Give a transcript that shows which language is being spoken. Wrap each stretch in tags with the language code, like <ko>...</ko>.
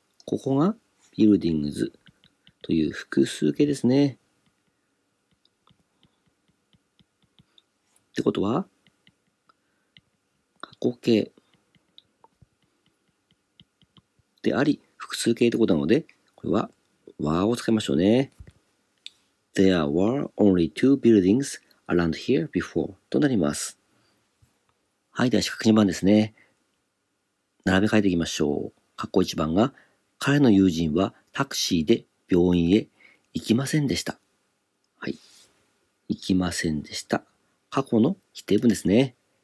<ja>ここが buildings という複数形ですね。ってことは、過去形であり、複数形ってことなので、これは were を使いましょうね。</ja> <en>There were only two buildings around here before</en> <ja>となります。はい。では、四角二番ですね。並べ替えていきましょう。括弧一番が、彼の友人はタクシーで病院へ行きませんでした。はい。行きませんでした。過去の否定文ですね。</ja>